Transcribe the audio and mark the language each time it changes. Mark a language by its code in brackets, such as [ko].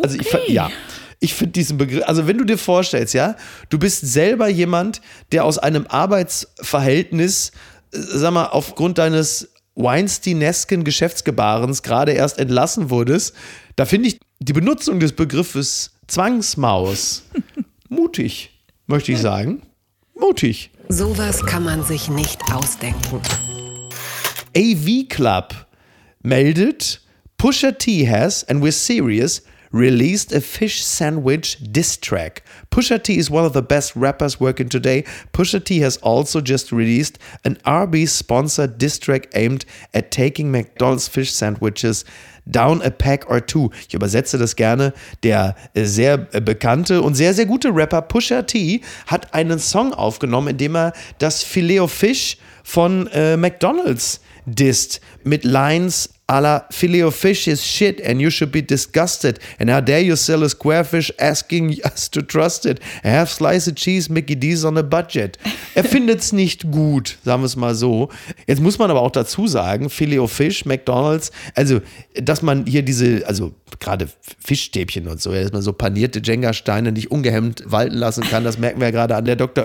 [de] Also ich, ja, ich finde diesen Begriff, also wenn du dir vorstellst, ja, du bist selber jemand, der aus einem Arbeitsverhältnis, sag mal, aufgrund deines Weinsteinesken Geschäftsgebarens gerade erst entlassen wurdest, da finde ich die Benutzung des Begriffes Zwangsmaus mutig, möchte ich sagen. Mutig. Sowas kann man sich nicht ausdenken. [en] AV Club [de] meldet, [en] Pusha T has, and we're serious, released a fish sandwich diss track. Pusha T is one of the best rappers working today. Pusha T has also just released an RB-sponsored diss track aimed at taking McDonald's fish sandwiches down a peg or two. [de] Ich übersetze das gerne. Der sehr bekannte und sehr, sehr gute Rapper Pusha T hat einen Song aufgenommen, in dem er das Filet-O-Fish von McDonald's dissed mit Lines a la [en] Filet-O-Fish is shit and you should be disgusted. And how dare you sell a square fish asking us to trust it. A half slice of cheese, Mickey D's on a budget. [de] Er findet's nicht gut, sagen wir es mal so. Jetzt muss man aber auch dazu sagen, Filet-O-Fish, McDonald's, also, dass man hier diese, also gerade Fischstäbchen und so, dass man so panierte Jenga-Steine nicht ungehemmt walten lassen kann, das merken wir ja gerade an der Dr.